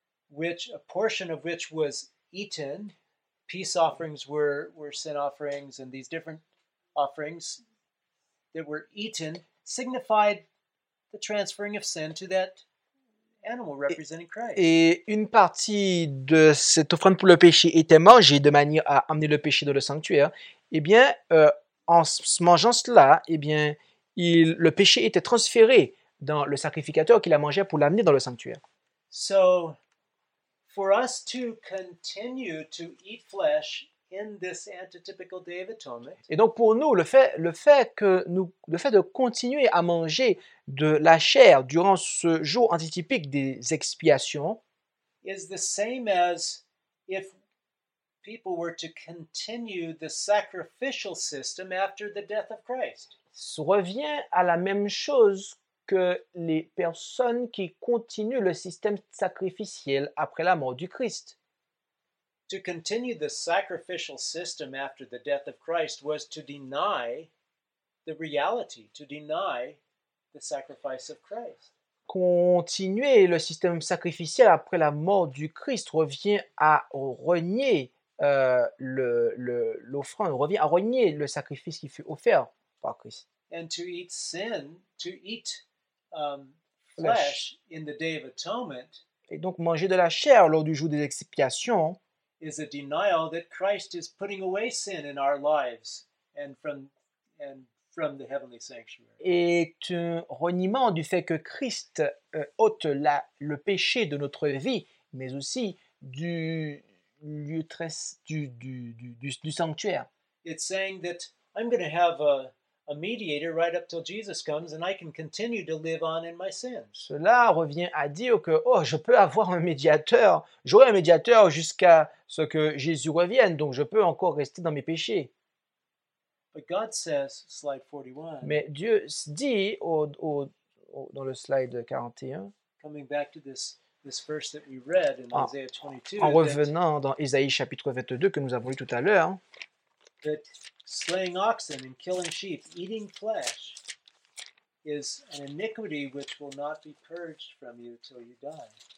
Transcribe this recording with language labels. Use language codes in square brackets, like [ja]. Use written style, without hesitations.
[en] which a portion of which was eaten, peace offerings were sin offerings, and these different offerings that were eaten signified the transferring of sin to that animal representing Christ. [fr] Et une partie de cette offrande pour le péché était mangée de manière à amener le péché dans le sanctuaire. Eh bien, en se mangeant cela, eh bien, le péché était transféré dans le sacrificateur qu'il a mangé pour l'amener dans le sanctuaire. [en] So, for us to continue to eat flesh in this antitypical day of atonement. [fr] Et donc pour nous, le fait de continuer à manger de la chair durant ce jour antitypique des expiations [en] is the same as if people were to continue the sacrificial system after the death of Christ. [fr] Ça revient à la même chose que les personnes qui continuent le système sacrificiel après la mort du Christ. [en] To continue the sacrificial system after the death of Christ was to deny the reality, to deny the sacrifice of Christ. [fr] Continuer le système sacrificiel après la mort du Christ revient à renier l'offrande, revient à renier le sacrifice qui fut offert par Christ. [en] And to eat sin, to eat flesh in the day of atonement. [fr] Et donc manger de la chair lors du jour des expiations [en] is a denial that Christ is putting away sin in our lives and from the heavenly sanctuary. [fr] Est un reniement du fait que Christ ôte le péché de notre vie, mais aussi du lieu très du sanctuaire. [en] It's saying that I'm going to have a mediator right up till Jesus comes and I can continue to live on in my sins. [fr] Cela revient à dire que je peux avoir un médiateur, j'aurai un médiateur jusqu'à ce que Jésus revienne, donc je peux encore rester dans mes péchés. [en] But God says, slide 41. [fr] Mais Dieu dit dans le slide 41. [en] Coming back to this verse that we read in Isaiah 22. [fr] En revenant dans Ésaïe chapitre 22 que nous avons lu tout à l'heure. [en] That slaying oxen and killing sheep, eating flesh, is an iniquity which will not be purged from you till you die.